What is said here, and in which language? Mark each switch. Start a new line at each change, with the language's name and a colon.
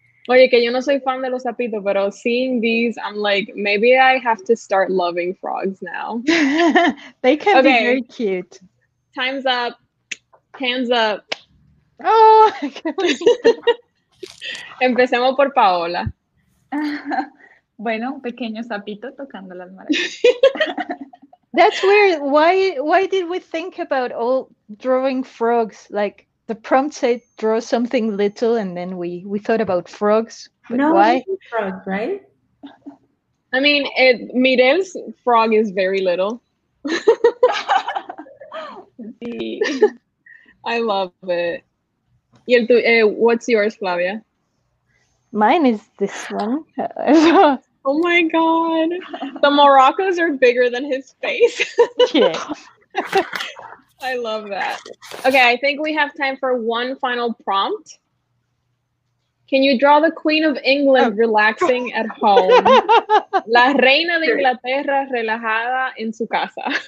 Spanish: Oye, que yo no soy fan de los sapitos, pero
English: seeing these, I'm like, maybe I have to start loving frogs now. They can okay. be very cute. Time's up. Hands up. Oh,
Spanish: empecemos por Paola. Bueno, un pequeño sapito tocando las maracas.
English: That's weird. Why did we think about all drawing frogs? Like, the prompt said draw something little, and then we thought about frogs. But no, why? Frog, right? I mean, Mirel's frog is very little. I love it. What's yours, Flavia? Mine is this one. Oh my God. The maracas are bigger than his face. I love that. Okay, I think we have time for one final prompt. Can you draw the Queen of England relaxing at home?
Spanish: La Reina de Inglaterra relajada en su casa.